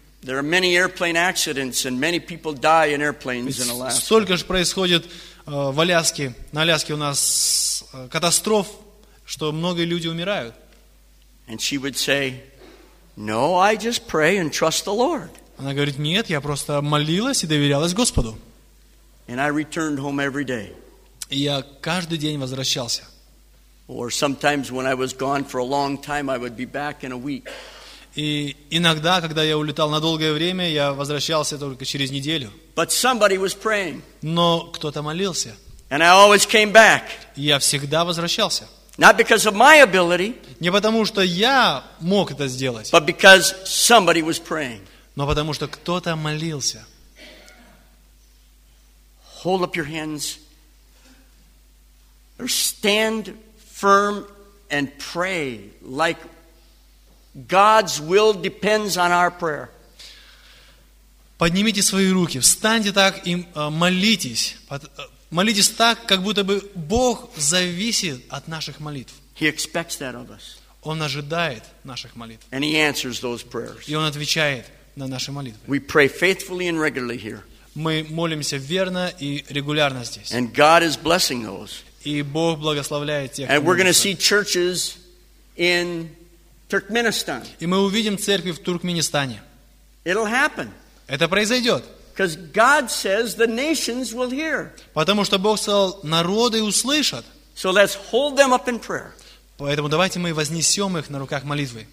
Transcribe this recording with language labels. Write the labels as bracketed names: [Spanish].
[English] There are many airplane accidents and many people die in airplanes in Alaska. [Russian] Столько же происходит в Аляске. На Аляске у нас катастроф, что многие люди умирают. [English] And she would say, "No, I just pray and trust the Lord." [Russian] Она говорит: "Нет, я просто молилась и доверялась Господу." [English] And I returned home every day. [Russian] И я каждый день возвращался. [English] Or sometimes when I was gone for a long time, I would be back in a week. [Russian] И иногда, когда я улетал на долгое время, я возвращался только через неделю. [English] But somebody was praying. [Russian] Но кто-то молился. [English] And I always came back. [Russian] И я всегда возвращался. [English] Not because of my ability. [Russian] Не потому, что я мог это сделать. [English] But because somebody was praying. [Russian] Но потому, что кто-то молился. [English] Hold up your hands. Or stand firm and pray like God's will depends on our prayer. [Russian] Поднимите свои руки, встаньте так и молитесь. Молитесь так, как будто бы Бог зависит от наших молитв. [English] He expects that of us. [Russian] Он ожидает наших молитв. [English] And he answers those prayers. [Russian] И он отвечает на наши молитвы. [English] We pray faithfully and regularly here. [Russian] Мы молимся верно и регулярно здесь. [English] And God is blessing those. [Russian] И Бог благословляет тех. [English] And we're going to see churches in Turkmenistan. [Russian] И мы увидим церкви в Туркменистане. [English] It'll happen. [Russian] Это произойдет. [English] Because God says the nations will hear. [Russian] Потому что Бог сказал, народы услышат. [English] So let's hold them up in prayer. [Russian] Поэтому давайте мы вознесем их на руках молитвы.